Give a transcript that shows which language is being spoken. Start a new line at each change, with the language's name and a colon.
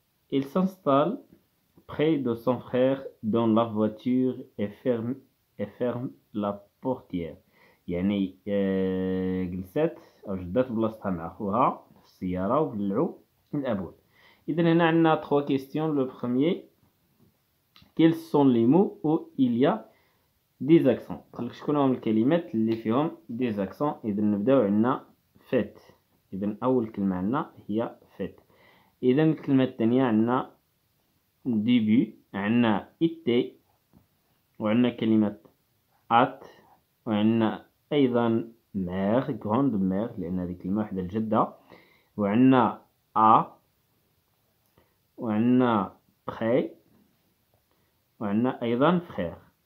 French: Il s'installe près de son frère dans la voiture et ferme la portière.
Arabic: يعني جلست أو جدات بلاصتها مع أخوها في السيارة وبلعوا الأبواب. إذا هنا عندنا 3 questions.
French: Le premier, quels sont les mots où il y a des accents؟
Arabic: قالك شكون هما الكلمات اللي فيهم des accents؟ إذا نبداو عندنا فات. إذا أول كلمة عندنا هي فات. إذا الكلمة الثانية عندنا ديبي، عندنا إتي، وعندنا كلمة أت، وعندنا أيضا مير، غروند مير، لأن هذه كلمة واحدة الجدة، وعندنا أ، وعندنا بخي، وعندنا أيضا فخير.